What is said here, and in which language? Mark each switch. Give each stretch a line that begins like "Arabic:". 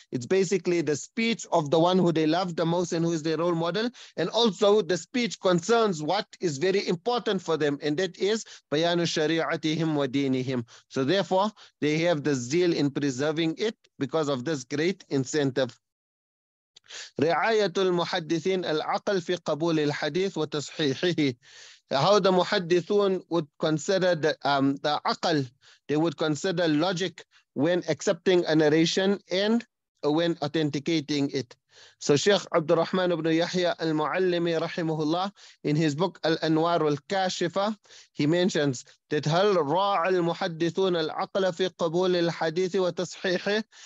English: It's basically the speech of the one who they love the most and who is their role model. And also the speech concerns what is very important for them. And that is
Arabic: bayanu shari'atihim wa dinihim.
English: So therefore, they have the zeal in preserving it because of this great incentive.
Arabic: رعاية المحدثين العقل في قبول الحديث وتصحيحه.
English: How the muhaddithun would consider the aql, they would consider logic when accepting a narration and when authenticating it. So Shaykh Abd Rahman ibn Yahya al-Mu'allimi rahimahullah, in his book Al-Anwar al-Kashifa, he mentions that
Arabic: هل راع المحدثون العقل في قبول الحديث وتصحيحه.